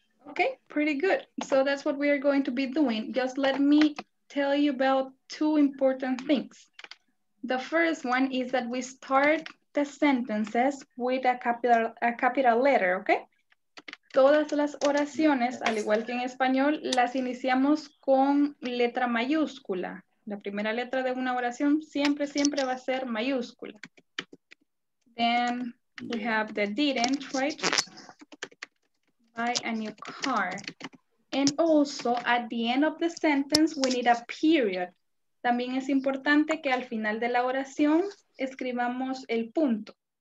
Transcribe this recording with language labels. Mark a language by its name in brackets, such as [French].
[English] Okay, pretty good. So that's what we are going to be doing. Just let me tell you about two important things. The first one is that we start the sentences with a capital letter, okay? [Spanish] Todas las oraciones, al igual que en español, las iniciamos con letra mayúscula. La primera letra de una oración siempre, siempre va a ser mayúscula. [English] Then we have the didn't, right? Buy a new car. And also, at the end of the sentence, we need a period. [Spanish] También es importante que al final de la oración escribamos el punto.